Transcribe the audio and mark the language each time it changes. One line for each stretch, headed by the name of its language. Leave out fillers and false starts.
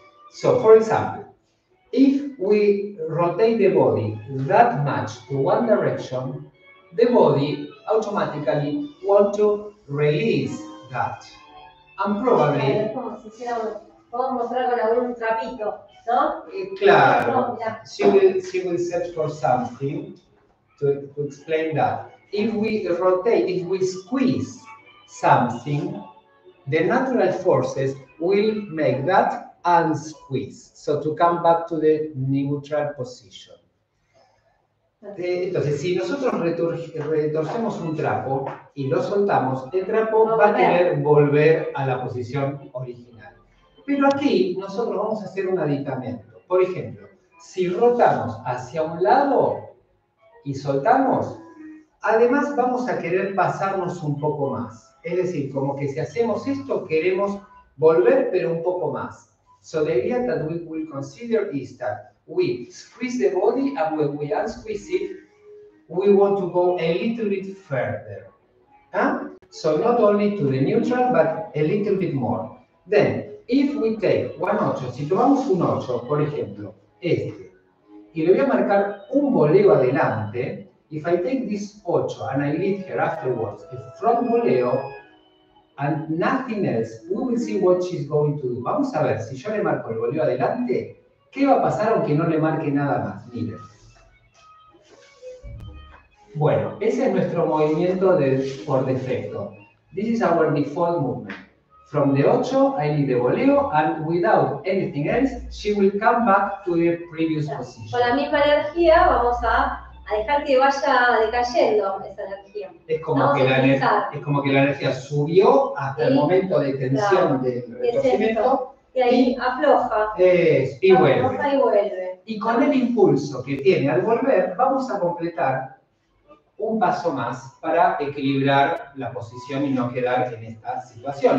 English: So, for example, if we rotate the body that much to one direction, the body automatically want to release that. And probably...
Spanish: Es como si hiciéramos, mostrar con algún trapito, ¿no? Claro.
English: She will search for something to explain that. If we rotate, if we squeeze something, the natural forces will make that unsqueeze. So to come back to the neutral position.
Spanish: Entonces, si nosotros retorcemos un trapo y lo soltamos, el trapo va a querer volver a la posición original. Pero aquí nosotros vamos a hacer un aditamento. Por ejemplo, si rotamos hacia un lado y soltamos, además vamos a querer pasarnos un poco más. Es decir, como que si hacemos esto, queremos volver, pero un poco más.
English: So the idea that we will consider is that we squeeze the body, and when we unsqueeze it, we want to go a little bit further. So not only to the neutral, but a little bit more. Then, if we take one ocho,
Spanish: si tomamos un ocho, por ejemplo, este, y le voy a marcar un voleo adelante,
English: if I take this ocho and I lead her afterwards, a front voleo, and nothing else, we will see what she's going to do.
Spanish: Vamos a ver, si yo le marco el voleo adelante, ¿qué va a pasar aunque no le marque nada más? Mira. Bueno, ese es nuestro movimiento por defecto.
English: This is our default movement. From the 8, I need the voleo, and without anything else, she will come back to the previous position.
Spanish: Con la misma energía vamos a dejar que vaya decayendo esa energía. Es como, que la, es como que la energía subió hasta el momento de tensión del retorcimiento. Y ahí afloja y vuelve. Y con el impulso que tiene al volver, vamos a completar un paso más para equilibrar la posición y no quedar en esta situación.